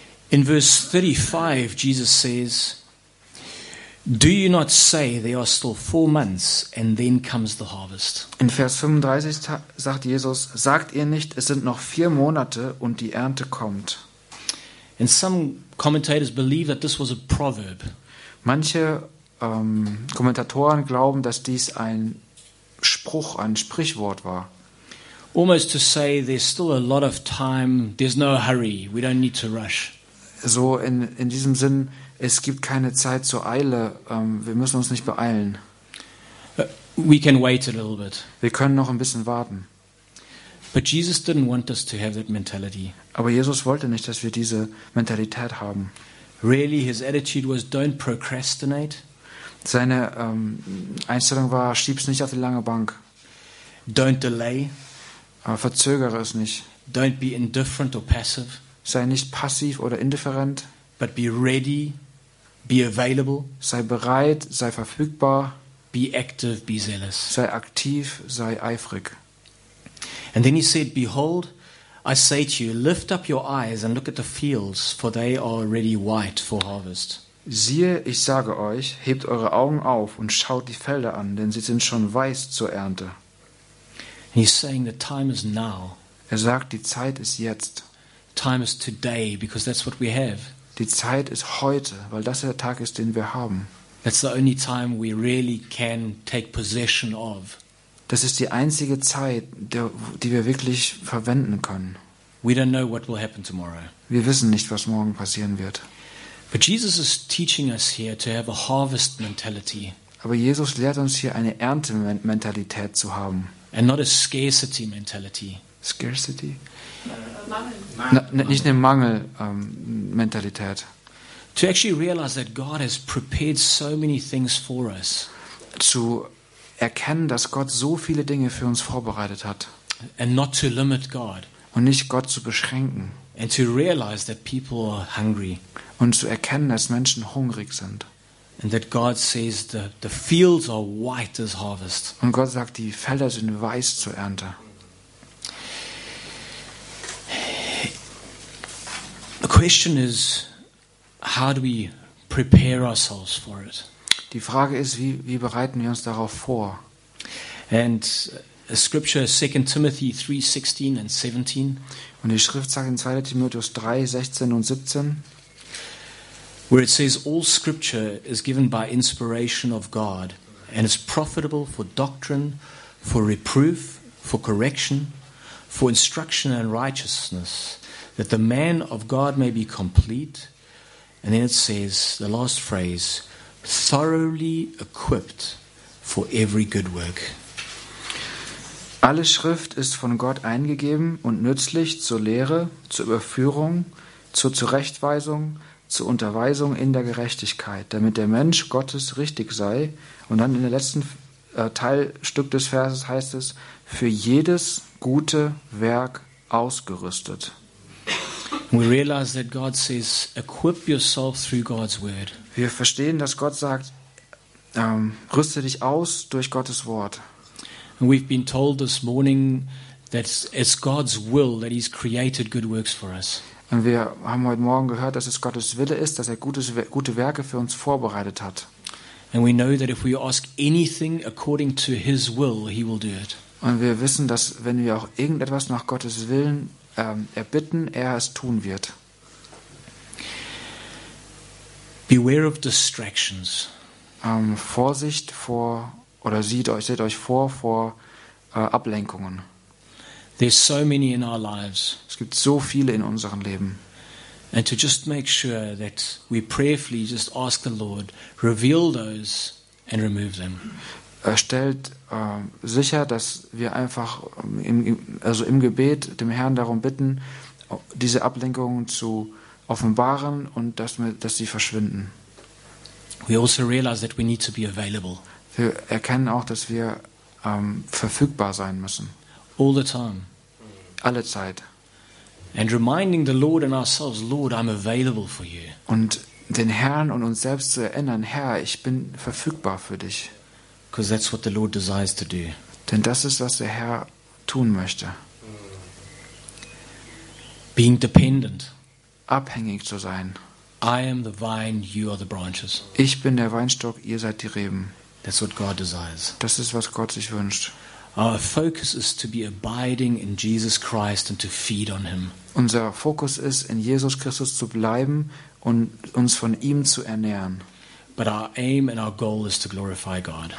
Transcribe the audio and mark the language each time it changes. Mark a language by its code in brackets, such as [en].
[en] In verse 35 Jesus says, "Do you not say there are still 4 months and then comes the harvest?" [de] In Vers 35 sagt Jesus, sagt ihr nicht, es sind noch 4 Monate und die Ernte kommt? [en] And some commentators believe that this was a proverb. [de] Manche Kommentatoren glauben, dass dies ein Spruch, ein Sprichwort war. [en] Almost to say there's still a lot of time, there's no hurry, we don't need to rush. [de] So in diesem Sinn, es gibt keine Zeit zur Eile, wir müssen uns nicht beeilen. [en] We can wait a little bit. [de] Wir können noch ein bisschen warten. [en] But Jesus didn't want us to have that mentality. [de] Aber Jesus wollte nicht, dass wir diese Mentalität haben. [en] Really, his attitude was, "Don't procrastinate." [de] Seine Einstellung war, schieb's nicht auf die lange Bank. [en] Don't delay. [de] Aber verzögere es nicht. [en] Don't be indifferent or passive. [de] Sei nicht passiv oder indifferent. [en] But be ready, be available. [de] Sei bereit, sei verfügbar. [en] Be Be active, be zealous. [de] Sei aktiv, sei eifrig. [en] And then he said, behold, I say to you, lift up your eyes and look at the fields, for they are already white for harvest. [de] Siehe, ich sage euch, hebt eure Augen auf und schaut die Felder an, denn sie sind schon weiß zur Ernte. [en] He's saying the time is now. [de] Er sagt, die Zeit ist jetzt. [en] Time is today, because that's what we have. [de] Die Zeit ist heute, weil das der Tag ist, den wir haben. [en] That's the only time we really can take possession of. [de] Das ist die einzige Zeit, die wir wirklich verwenden können. [en] We don't know what will happen tomorrow. [de] Wir wissen nicht, was morgen passieren wird. [en] But Jesus is teaching us here to have a harvest mentality. [de] Aber Jesus lehrt uns hier, eine Erntementalität zu haben. [en] And not a scarcity mentality. [de] Scarcity? Nicht eine Mangelmentalität. [en] To actually realize that God has prepared so many things for us. [de] Zu erkennen, dass Gott so viele Dinge für uns vorbereitet hat. [en] And not to limit God. [de] Und nicht Gott zu beschränken. [en] And to realize that people are hungry. [de] Und zu erkennen, dass Menschen hungrig sind. [en] And that God says the fields are white as harvest. [de] Und Gott sagt, die Felder sind weiß zur Ernte. [en] The question is, how do we prepare ourselves for it? [de] Die Frage ist, wie bereiten wir uns darauf vor? [en] And a scripture, 2 Timothy 3:16 and 17. [de] Und die Schrift sagt in 2. Timotheus 3, 16 und 17. [en] Where it says, all scripture is given by inspiration of God and is profitable for doctrine, for reproof, for correction, for instruction in righteousness, that the man of God may be complete. And then it says, the last phrase, thoroughly equipped for every good work. [de] Alle Schrift ist von Gott eingegeben und nützlich zur Lehre, zur Überführung, zur Zurechtweisung, zur Unterweisung in der Gerechtigkeit, damit der Mensch Gottes richtig sei. Und dann in der letzten Teilstück des Verses heißt es, für jedes gute Werk ausgerüstet. [en] We realize that God says, equip yourself through God's word. [de] Wir verstehen, dass Gott sagt, rüste dich aus durch Gottes Wort. [en] And we've been told this morning that it's God's will that he's created good works for us. [de] Und wir haben heute Morgen gehört, dass es Gottes Wille ist, dass er gute Werke für uns vorbereitet hat. [en] And we know that if we ask anything according to his will, he will do it. [de] Und wir wissen, dass wenn wir auch irgendetwas nach Gottes Willen erbitten, er es tun wird. [en] Beware of distractions. [de] Vorsicht vor, oder seht euch vor Ablenkungen. [en] There's so many in our lives. [de] Es gibt so viele in unserem Leben. [en] And to just make sure that we prayerfully just ask the Lord, reveal those and remove them. [de] Stellt sicher, dass wir einfach im Gebet dem Herrn darum bitten, diese Ablenkungen zu offenbaren und dass sie verschwinden. [en] We also realize that we need to be available. [de] Wir erkennen auch, dass wir verfügbar sein müssen. [en] All the time. [de] Alle Zeit. [en] And reminding the Lord and ourselves, Lord, I'm available for you. [de] Und den Herrn und uns selbst zu erinnern, Herr, ich bin verfügbar für dich. [en] Because that's what the Lord desires to do. [de] Denn das ist, was der Herr tun möchte. [en] Being dependent. [de] Abhängig zu sein. [en] I am the vine, you are the branches. [de] Ich bin der Weinstock, ihr seid die Reben. [en] That's what God desires. [de] Das ist, was Gott sich wünscht. [en] Our focus is to be abiding in Jesus Christ and to feed on him. [de] Unser Fokus ist, in Jesus Christus zu bleiben und uns von ihm zu ernähren. [en] But our aim and our goal is to glorify God.